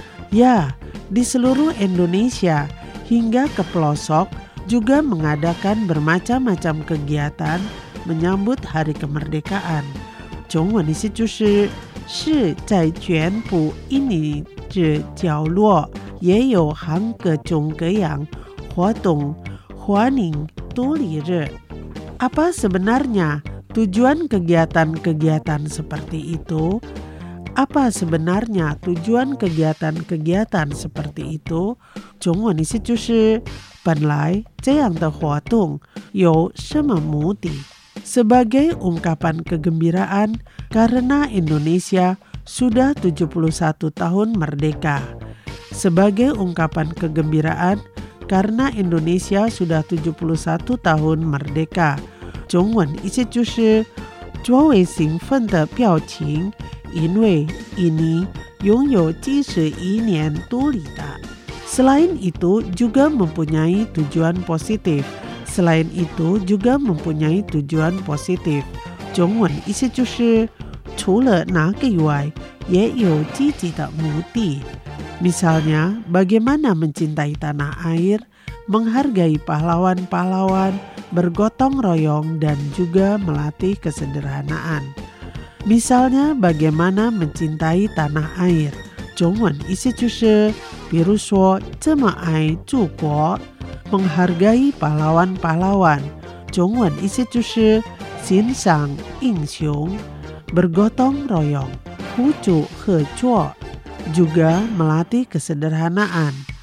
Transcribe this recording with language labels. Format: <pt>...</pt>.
<id>Ya, di seluruh Indonesia hingga ke pelosok juga mengadakan bermacam-macam kegiatan menyambut Hari Kemerdekaan.</id> <zh>中文的意思就是 是在全部印尼之角落也有各种各样活动欢迎独立日.</zh> <id>Apa sebenarnya tujuan kegiatan-kegiatan seperti itu? Apa sebenarnya tujuan kegiatan-kegiatan seperti itu?</id> <zh>中文的意思就是 本来这样的活动有什么目的?</zh> <id>Sebagai ungkapan kegembiraan karena Indonesia sudah 71 tahun merdeka. Sebagai ungkapan kegembiraan karena Indonesia sudah 71 tahun merdeka.</id> <zh>中文意思就是 作为兴奋的表情, 因为印尼拥有71年独立的.</zh> <id>Selain itu juga mempunyai tujuan positif. Selain itu juga mempunyai tujuan positif.</id> <zh>中文意思就是 除了那个以外也有积极的目的.</zh> <id>Misalnya bagaimana mencintai tanah air, menghargai pahlawan-pahlawan, bergotong royong dan juga melatih kesederhanaan. Misalnya bagaimana mencintai tanah air.</id> <zh>中文意思就是 比如说这么爱祖国,</zh> <id>menghargai pahlawan-pahlawan.</id> <zh>中文意思就是 欣赏英雄,</zh> <id>bergotong royong,</id> <zh>互助合作,</zh> <id>juga melatih kesederhanaan.</id>